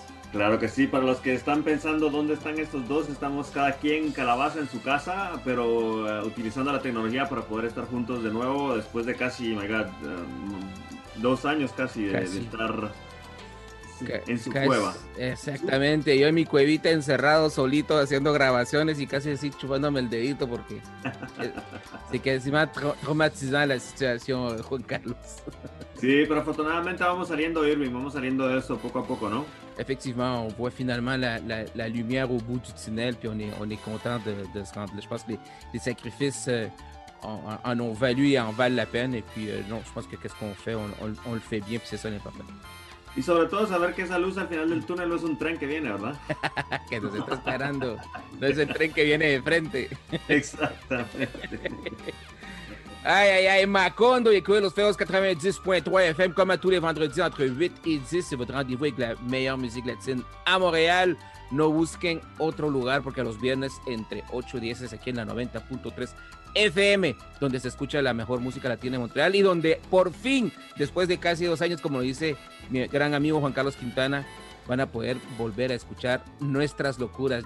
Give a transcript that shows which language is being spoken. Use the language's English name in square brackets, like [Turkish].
[Spanish] Claro que sí, para los que están pensando dónde están estos dos, estamos cada quien calabaza en su casa, pero utilizando la tecnología para poder estar juntos de nuevo después de casi, [English] my God, [Spanish] 2 años casi, casi. De estar en su casi, cueva. Exactamente, yo en mi cuevita encerrado solito haciendo grabaciones y casi así chupándome el dedito porque así que encima traumatizada la situación, Juan Carlos. Sí, pero afortunadamente vamos saliendo, Irving, vamos saliendo de eso poco a poco, ¿no? [French] Effectivement, on voit finalement la lumière au bout du tunnel, puis on est content de se rendre. Je pense que les sacrifices en ont valu et en valent la peine. Et puis, non, je pense que qu'est-ce qu'on fait, on le fait bien, puis c'est ça l'important. Et surtout, savoir que [Spanish] esa luz al final del túnel no es un tren que viene, ¿verdad? Que nos está esperando. No es el tren que viene de frente. Exactamente. Ay, ay, ay, Macondo, y Club de los Feos [French] 90.3 FM, comme à tous les vendredis entre 8 et 10, c'est votre rendez-vous avec la meilleure musique latine à Montréal. [Spanish] No busquen otro lugar porque los viernes entre 8 y 10 es aquí en la 90.3 FM, donde se escucha la mejor música latina en Montreal y donde por fin, después de casi 2 años, como lo dice mi gran amigo Juan Carlos Quintana, van a poder volver a escuchar nuestras locuras.